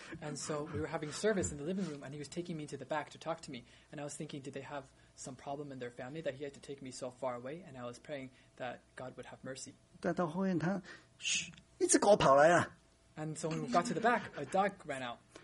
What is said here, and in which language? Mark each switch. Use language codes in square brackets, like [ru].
[en] And so we were having service in the living room, and he was taking me to the back to talk to me. And I was thinking, did they have some problem in their family that he had to take me so far away, and I was praying that God would have mercy. [zh] 但到后面他一只狗跑来了。 [en] And so when we got to the back, a dog ran out.